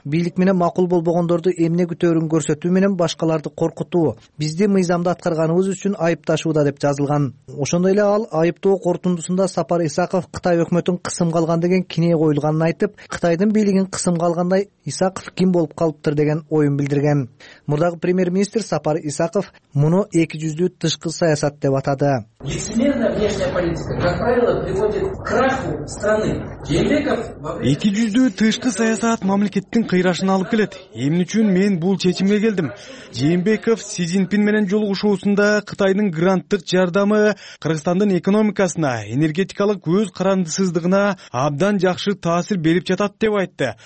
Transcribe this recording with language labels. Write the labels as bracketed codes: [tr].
[ky] Бийлик менен макул болбогондорду эмне күтөөрүн көрсөтүү менен башкаларды коркутуу бизди мыйзамды аткарганыбыз үчүн айыпташууда деп жазылган. Ошондой эле ал айыптоо корутундусунда Сапар Исаков Кытай өкмөтүн кысымга алган деген чектене коюлганын айтып, Кытайдын бийлигин кысымга алгандай Исаков ким болуп калыптыр деген оюн билдирген. Мурдагы премьер-министр Сапар Исаков муну эки жүздүү тышкы саясат деп атады. [ru] Лицемерная внешняя политика, как правило, приводит к краху страны. [ky] Эки жүздүү тышкы саясат мамлекеттин кыйрашына алып келет. Эмне үчүн мен бул чечимге келдим? Жээнбеков Си Цзиньпин менен жолугушуусунда Кытайдын гранттык жардамы Кыргызстандын экономикасына, энергетикалык өз карандысыздыгына абдан жакшы таасир берип жатат деп айтты.